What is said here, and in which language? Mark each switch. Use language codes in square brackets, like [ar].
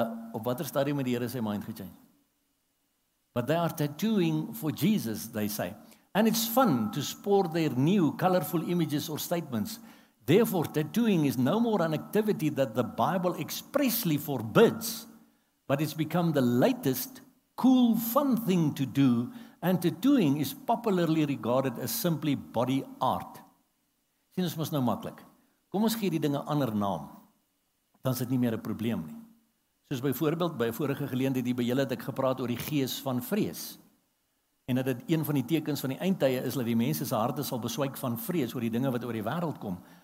[af] Op wat stadium het die Here sy [en] mind [af] gechange? [en] But they are tattooing for Jesus, they say. And it's fun to sport their new colorful images or statements. Therefore, tattooing is no more an activity that the Bible expressly forbids, but it's become the latest cool fun thing to do, and tattooing is popularly regarded as simply body art. [af] Sien, ons mos nou maklik. Kom ons gee die dinge 'n ander naam. Dan is dit nie meer 'n probleem nie. Soos byvoorbeeld, by vorige geleentheid hier by julle het ek gepraat oor die gees van vrees. En dat dit een van die tekens van die eindtye is, dat die mense se harte sal beswyk van vrees oor die dinge wat oor die wêreld kom.